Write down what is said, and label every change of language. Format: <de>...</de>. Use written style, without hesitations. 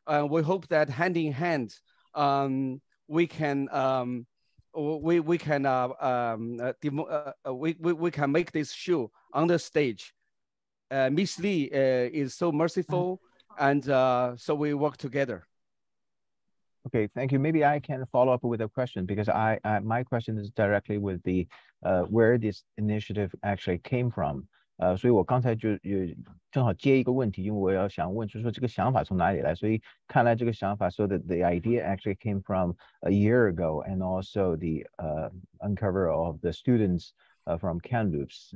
<en>We hope that hand in hand, we can make this show on the stage. Miss Lee is so merciful, and so we work together. Okay, thank you. Maybe I can follow up with a question, because I my question is directly with the where this initiative actually came from.</en> <zh>所以我刚才就正好接一个问题，因为我要想问，就是说这个想法从哪里来。所以看来这个想法</zh> <en>，so that the idea actually came from a year ago, and also the uncover of the students from Kamloops.</en>